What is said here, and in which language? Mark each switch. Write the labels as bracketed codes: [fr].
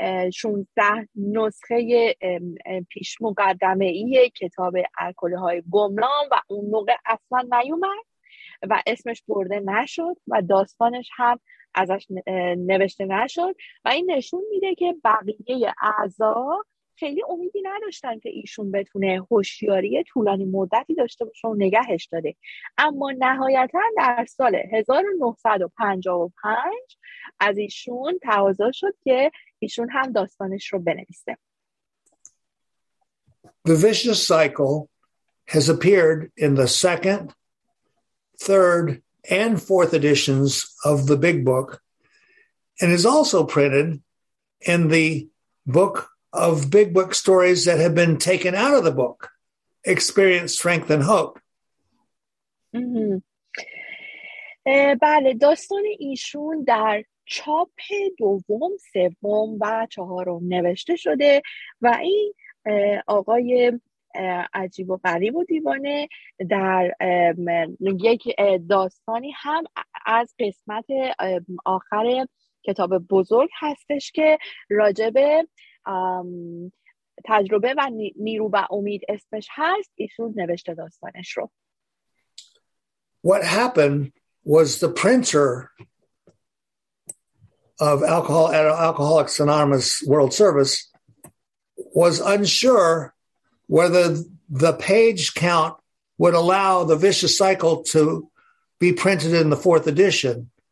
[fa] 16 نسخه پیش مقدمه ای کتاب الکل‌های گمنام و اون موقع اصلا نیومد و اسمش برده نشد و داستانش هم ازش نوشته نشد و این نشون میده که بقیه اعضا خیلی امیدی نداشتن که ایشون بتونه هوشیاری طولانی مدتی داشته باشه و نگهش داره. اما نهایتا در سال 1955 از ایشون تقاضا شد که ایشون هم داستانش رو بنویسه. [en] The Vicious Cycle has appeared in the second, third, and fourth editions of the Big Book and is also printed in the book of big book stories that have been taken out of the book, Experience, Strength, and Hope. [fa] بله، داستان ایشون در چاپ دوم، سوم و چهارم نوشته شده و این آقای عجیب و غریب و دیوانه در یک داستانی هم از قسمت آخر کتاب بزرگ هستش که راجبه تجربه و نیرو و امید اسمش هست. ایشون نوشته داستانش رو. [en] What happened was the printer of Alcoholics Anonymous World Service was unsure whether the page count would allow the vicious cycle to be printed in the fourth edition.